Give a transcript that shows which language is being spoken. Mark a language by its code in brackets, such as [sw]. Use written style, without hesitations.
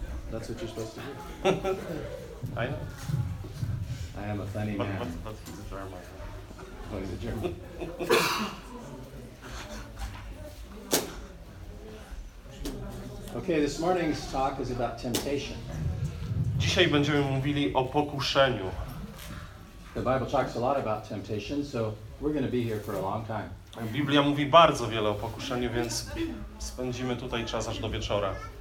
[en] That's what you're supposed to do. I know. I am a funny man. But he's a German. Oh, he's a German. Okay, this morning's talk is about temptation. [pl] Dzisiaj będziemy mówili o pokuszeniu. [en] The Bible talks a lot about temptation, so we're going to be here for a long time. [pl] Biblia mówi bardzo wiele o pokuszeniu, więc spędzimy tutaj czas aż do wieczora.